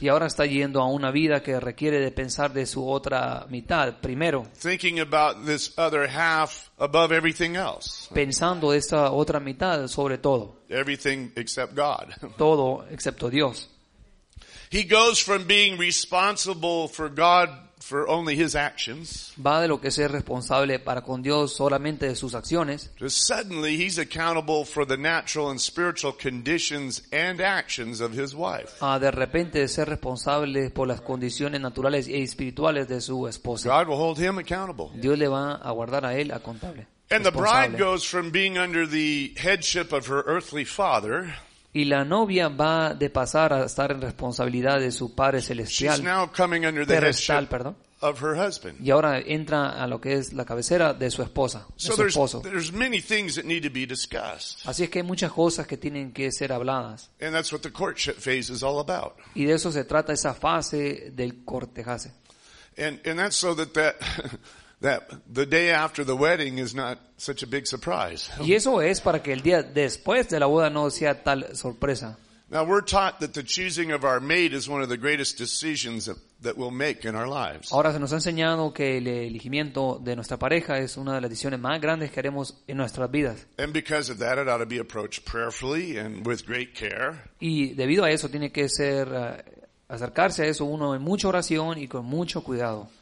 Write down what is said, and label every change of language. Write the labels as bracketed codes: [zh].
[es] Y ahora está yendo a una vida que requiere de pensar de su otra mitad primero. [en] Thinking about this other half above everything else. [es] Pensando esta otra mitad sobre todo. [en] Everything except God. [es] Todo excepto Dios. [en] He goes from being responsible for God for only his actions. [es] Va de lo que sea responsable para con Dios solamente de sus acciones. [en] Suddenly he's accountable for the natural and spiritual conditions and actions of his wife. [es] A de repente ser responsable por las condiciones naturales y espirituales de su esposa. [en] God will hold him accountable. [es] Dios le va a guardar a él accountable. [en] And the bride goes from being under the headship of her earthly father. [es] Y la novia va de pasar a estar en responsabilidad de su padre celestial. Terrestal, perdón. [en] Of her husband. [es] Y ahora entra a lo que es la cabecera de su esposa, de su esposo. [en] There's many things that need to be discussed. [es] Así es que hay muchas cosas que tienen que ser habladas. [en] And that's what the courtship phase is all about. [es] Y de eso se trata esa fase del cortejase. [en] And that's so that the day after the wedding is not such a big surprise. [es] Y eso es para que el día después de la boda no sea tal sorpresa. [en] Now we're taught that the choosing of our mate is one of the greatest decisions that we'll make in our lives. [es] Ahora se nos ha enseñado que el elegimiento de nuestra pareja es una de las decisiones más grandes que haremos en nuestras vidas. [en] And because of that, it ought to be approached prayerfully and with great care. [es] Y debido a eso tiene que ser acercarse a eso uno en mucha oración y con mucho cuidado.